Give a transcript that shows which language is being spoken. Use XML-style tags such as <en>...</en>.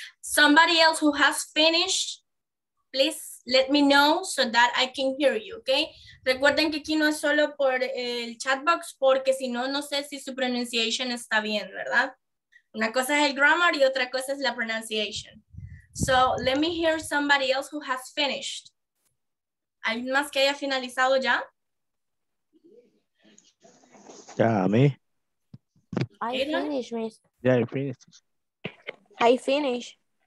<en>Somebody else who has finished, please let me know so that I can hear you, okay?</en> <es>Recuerden que aquí no es solo por el chat box, porque si no, no sé si su pronunciation está bien, ¿verdad? Una cosa es el grammar y otra cosa es la pronunciation.</es> <en>So let me hear somebody else who has finished.</en> <es>¿Alguien más que haya finalizado ya?</es> <en>Ya, yeah, me. I finished.</en>